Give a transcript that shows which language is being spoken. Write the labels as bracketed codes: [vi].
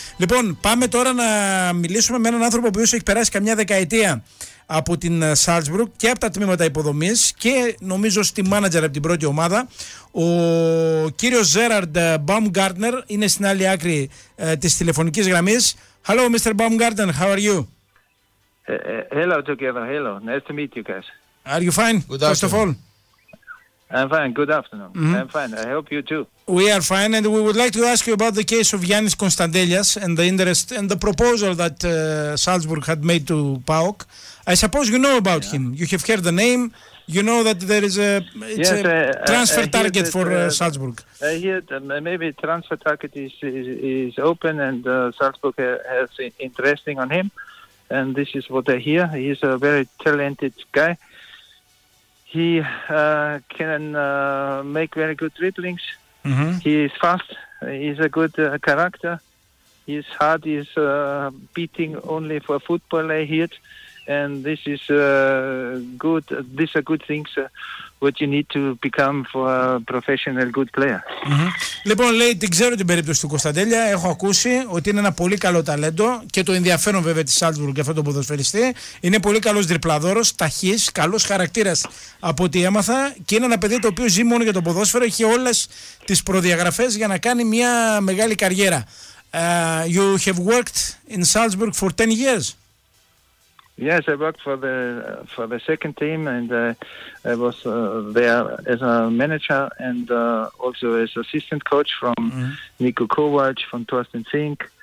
[el] Λοιπόν, πάμε τώρα να μιλήσουμε με έναν άνθρωπο που έχει περάσει καμιά δεκαετία από την Σάλτσμπουργκ και από τα τμήματα υποδομής και νομίζω στη μάνατζερ από την πρώτη ομάδα. Ο κύριος Gerard Baumgartner είναι στην άλλη άκρη της τηλεφωνικής γραμμής. [en] Hello, Mr. Baumgartner, how are you? Hello together, hello. Nice to meet you guys. Are you fine? Good afternoon. First of all. I'm fine, good afternoon. I'm fine, I hope you too. We are fine, and we would like to ask you about the case of Yanis Konstantelias and the interest and the proposal that Salzburg had made to PAOK. I suppose you know about him. You have heard the name. You know that there is a transfer target for Salzburg. Maybe transfer target is open, and Salzburg has interesting on him. And this is what I hear. He's a very talented guy. He can make very good dribblings. He is fast, he's a good character, his heart is beating only for football, I hear, and this is good, these are good things what you need to become for a professional good player. [el] Λοιπόν, λέει, την ξέρω την περίπτωση του Κωνσταντέλια, έχω ακούσει ότι είναι ένα πολύ καλό ταλέντο και το ενδιαφέρον βέβαια της Σάλτσμπουργκ για αυτό το ποδοσφαιριστή. Είναι πολύ καλός δρυπλαδόρος, ταχύς, καλός χαρακτήρας από ό,τι έμαθα, και είναι ένα παιδί το οποίο ζει μόνο για το ποδόσφαιρο, έχει όλες τις προδιαγραφές για να κάνει μια μεγάλη καριέρα. [en] You have worked in Salzburg for 10 years. Yes, I worked for the second team, and I was there as a manager and also as assistant coach from Niko Kovac, from Torsten Zink.